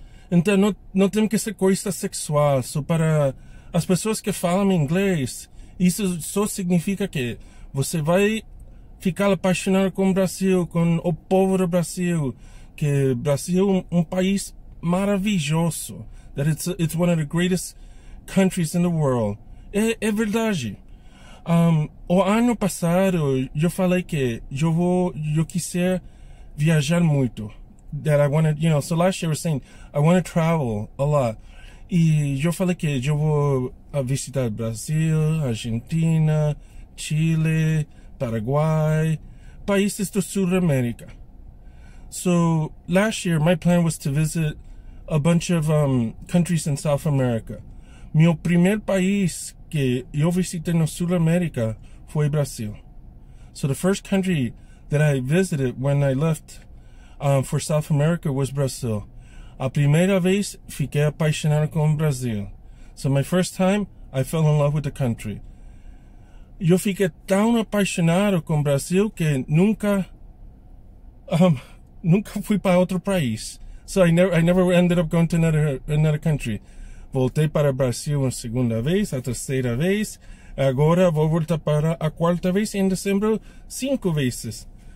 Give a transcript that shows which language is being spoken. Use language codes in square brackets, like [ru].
[pt] Então não tem que ser coisa sexual. Só para as pessoas que falam inglês, isso só significa que você vai ficar apaixonado com o Brasil, com o povo do Brasil, que o Brasil é um país maravilhoso. [en] That it's one of the greatest countries in the world. [pt] É verdade. O ano passado eu falei que eu quiser viajar muito. [en] That I wanna, so last year I was saying I wanna travel a lot. [pt] E eu falei que eu vou visitar Brasil, Argentina, Chile, Paraguai, países do Sul-América. [en] So last year my plan was to visit a bunch of countries in South America. [pt] Meu primeiro país que eu visitei no Sul América foi Brasil. [en] So the first country that I visited when I left for South America was Brazil. [pt] A primeira vez fiquei apaixonado com o Brasil. [en] So my first time I fell in love with the country. [pt] Eu fiquei tão apaixonado com o Brasil que nunca fui para outro país. [en] So I never ended up going to another country. [pt] Voltei para o Brasil uma segunda vez, a terceira vez, agora vou voltar para a quarta vez, em dezembro, cinco vezes.